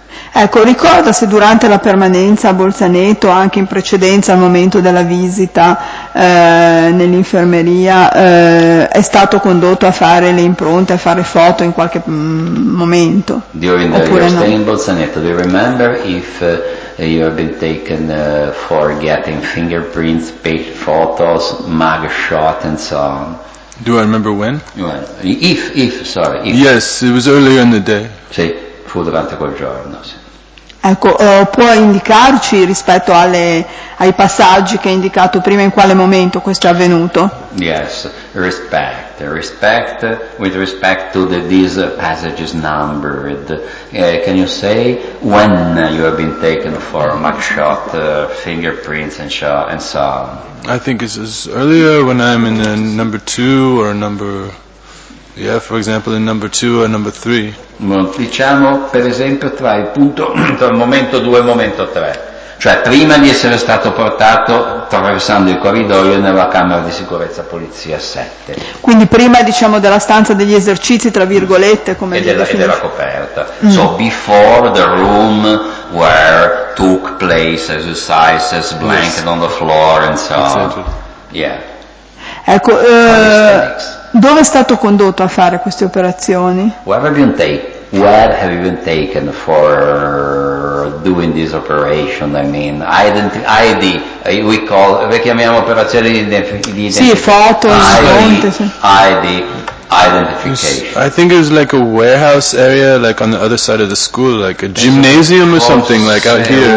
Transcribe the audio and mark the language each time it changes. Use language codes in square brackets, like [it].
[it] Ecco, ricorda se durante la permanenza a Bolzaneto, anche in precedenza al momento della visita nell'infermeria, è stato condotto a fare le impronte, a fare foto in qualche momento. [en] During the [it] oppure [en] your stay [it] no? [en] In Bolzaneto, do you remember if you have been taken for getting fingerprints, page photos, mug shot and so on? Do I remember when? If. Yes, it was earlier in the day. [it] Sì, fu durante quel giorno, sì. Ecco, può indicarci rispetto ai passaggi che ha indicato prima in quale momento questo è avvenuto? [en] Yes, respect, with respect to these passages numbered. Can you say when you have been taken for mugshot, fingerprints and so on? I think it was earlier when I'm in number two or number... Yeah, for example, in number two or number three. [it] Diciamo, per esempio, tra il punto, tra il momento 2 e il momento 3. Cioè, prima di essere stato portato, attraversando il corridoio, nella camera di sicurezza polizia 7. Quindi prima, diciamo, della stanza degli esercizi, tra virgolette, come e della, definito. E della coperta. Mm. [en] So, before the room where took place exercises, blanket on the floor and so on. Exactly. Yeah. [it] Ecco, dove è stato condotto a fare queste operazioni? [en] Where have you been taken for doing this operation? I mean, [it] ID, we chiamiamo operazioni di identificazione. Sì, foto, ID, sì. [en] ID, identification. I think it was like a warehouse area, like on the other side of the school, like a gymnasium or something, like out here.